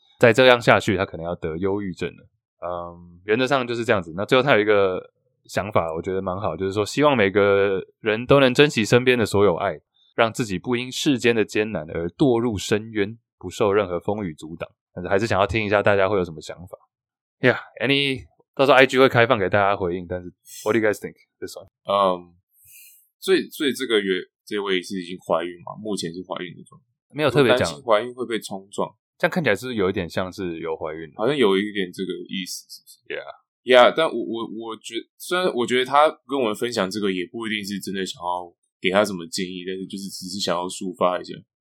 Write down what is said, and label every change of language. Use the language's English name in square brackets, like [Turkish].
[Chinese] 再这样下去，他可能要得忧郁症了。嗯，原则上就是这样子。那最后他有一个想法，我觉得蛮好，就是说希望每个人都能珍惜身边的所有爱，让自己不因世间的艰难而堕入深渊，不受任何风雨阻挡，但是还是想要听一下大家会有什么想法。 Yeah, any, 到时候 IG 会开放给大家回应，但是 [English] what do you guys think this one? [Chinese] 所以这位是已经怀孕吗？目前是怀孕的状态。没有特别讲。担心怀孕会被冲撞。这样看起来是不是有一点像是有怀孕的？好像有一点这个意思，是不是？ [English] Yeah. [Chinese] Yeah, 但我觉得，虽然我觉得他跟我们分享这个也不一定是真的想要给他什么建议，但是就是只是想要抒发一下。